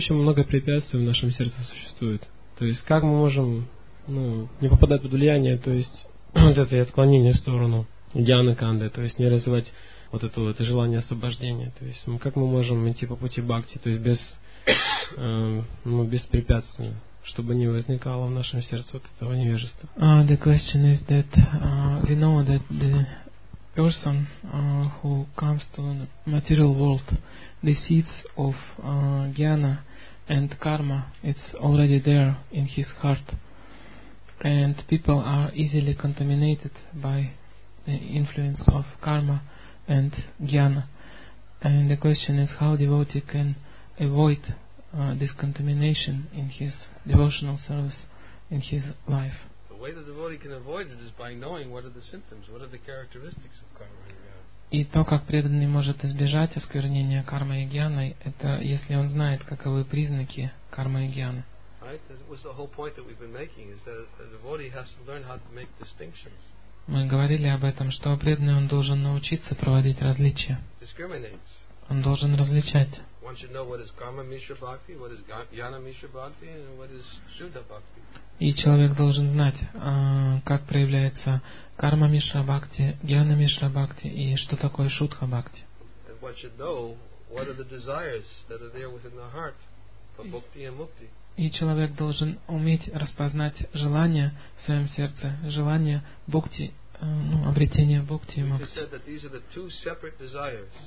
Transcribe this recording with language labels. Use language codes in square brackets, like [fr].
[ru] Очень много препятствий в нашем сердце существует. То есть, как мы можем, ну, не попадать под влияние, то есть, вот это отклонение в сторону Дианы Канды, то есть, не развивать вот это вот желание освобождения. То есть, как мы можем идти по пути бхакти, то есть, без препятствий, чтобы не возникало в нашем сердце вот этого невежества. [en] The question is that we know that the person who comes to the material world, the seeds of jnana and karma, it's already there in his heart, and people are easily contaminated by the influence of karma and jnana. And the question is how devotee can avoid this contamination in his devotional service, in his life. The way the devotee can avoid it is by knowing what are the symptoms, what are the characteristics of karma and jnana. [ru] И то, как преданный может избежать осквернения кармы и гьяны, это если он знает, каковы признаки кармы и гьяны. [en] Right? That was the whole point that we've been making, is that the devotee has to learn how to make distinctions. [ru] Мы говорили об этом, что преданный он должен научиться проводить различия. [en] Discriminates. [ru] Он должен различать. [en] One should know what is karma mishra bhakti, what is jnana mishra bhakti, and what is shuddha bhakti. [ru] И человек должен знать, как проявляется карма мишра бхакти, гьяна мишра бхакти и что такое шутха бхакти. И человек должен уметь распознать желания в своем сердце, желания бхакти, ну, обретения бхакти и мокти.